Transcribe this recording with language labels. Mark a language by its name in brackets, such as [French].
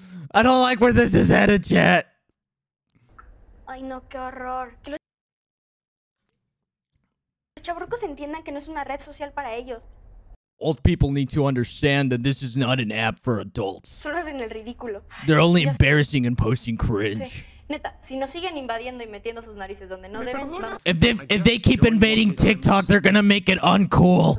[English] I don't like where this is headed, chat. [Spanish] Ay no, qué horror. Chavorrucos entiendan que no es una red social para ellos. [English] Old people need to understand that this is not an app for adults. [Spanish] Solo hacen el ridículo. [English] They're only embarrassing and posting cringe. [Spanish] Neta, si no siguen invadiendo y metiendo sus narices donde no deben. [English] If they keep invading TikTok, they're gonna make it uncool.